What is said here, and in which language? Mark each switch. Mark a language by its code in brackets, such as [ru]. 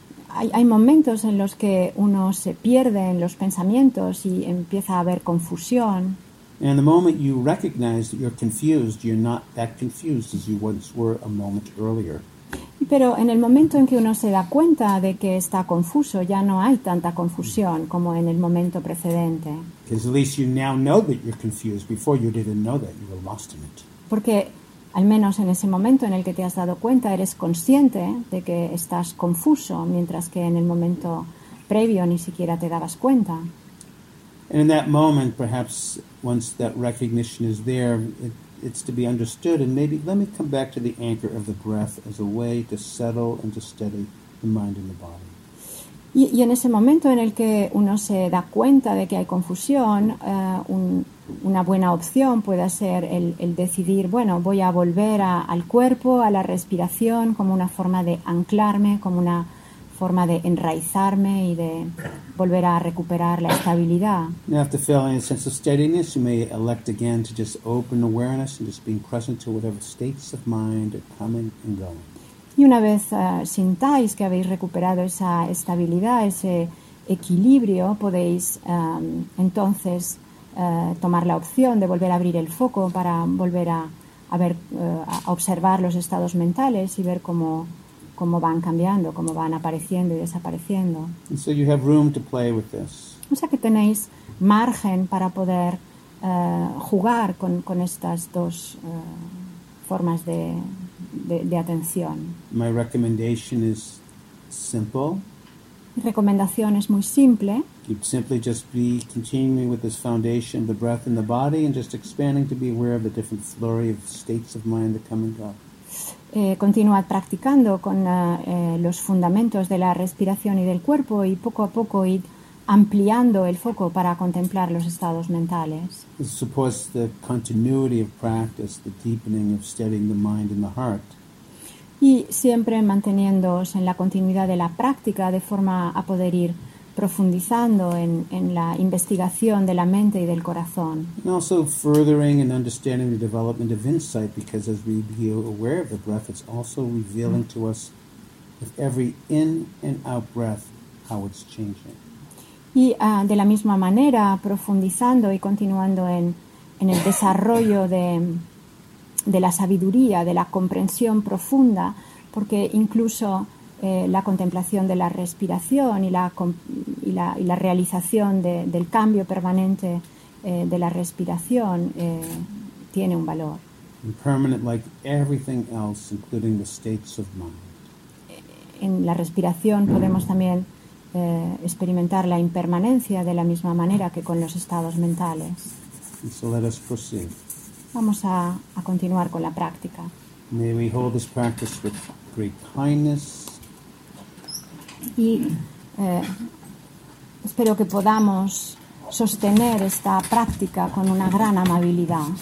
[es] Hay momentos en los que uno se pierde en los pensamientos y empieza a haber confusión. [en] And the moment you recognize that you're confused, you're not that confused as you once were a moment earlier. [es] Pero en el momento en que uno se da cuenta de que está confuso, ya no hay tanta confusión como en el momento precedente. [en] Because at least you now know that you're confused. Before you didn't know that, you were lost in it. [es] Porque al menos en ese momento en el que te has dado cuenta, eres consciente de que estás confuso, mientras que en el momento previo ni siquiera te dabas cuenta. [en] And in that moment, perhaps once that recognition is there, it's to be understood, and maybe let me come back to the anchor of the breath as a way to settle and to steady the mind and the body. [es] Y en ese momento en el que uno se da cuenta de que hay confusión, una buena opción puede ser el decidir, bueno, voy a volver al cuerpo, a la respiración, como una forma de anclarme, como una forma de enraizarme y de volver a recuperar la estabilidad. [en] Now, after feeling a sense of steadiness, you may elect again to just open awareness and just being present to whatever states of mind are coming and going. [es] Y una vez sintáis que habéis recuperado esa estabilidad, ese equilibrio, podéis entonces tomar la opción de volver a abrir el foco para volver a observar los estados mentales y ver cómo van cambiando, cómo van apareciendo y desapareciendo. [en] And so you have room to play with this. [es] O sea que tenéis margen para poder jugar con estas dos formas de atención. [en] My recommendation is simple. [es] Mi recomendación es muy simple. [en] You'd simply just be continuing with this foundation, the breath and the body, and just expanding to be aware of the different flurry of states of mind that come and go. [es] Continuad practicando con los fundamentos de la respiración y del cuerpo y poco a poco id ampliando el foco para contemplar los estados mentales. [en] Supports the continuity of practice, the deepening of steadying the mind and the heart. [es] Y siempre manteniéndoos en la continuidad de la práctica de forma a poder ir profundizando en la investigación de la mente y del corazón. [en] And also furthering and understanding the development of insight, because as we become aware of the breath, it's also revealing to us with every in and out breath how it's changing. [es] Y de la misma manera, profundizando y continuando en el desarrollo de la sabiduría, de la comprensión profunda, porque incluso la contemplación de la respiración y la realización del cambio permanente de la respiración tiene un valor. [en] Impermanent like everything else, including the states of mind. [es] En la respiración podemos también experimentar la impermanencia de la misma manera que con los estados mentales. [en] And so let us proceed. [es] Vamos a continuar con la práctica. [en] May we hold this practice with great kindness. [es] Y espero que podamos sostener esta práctica con una gran amabilidad.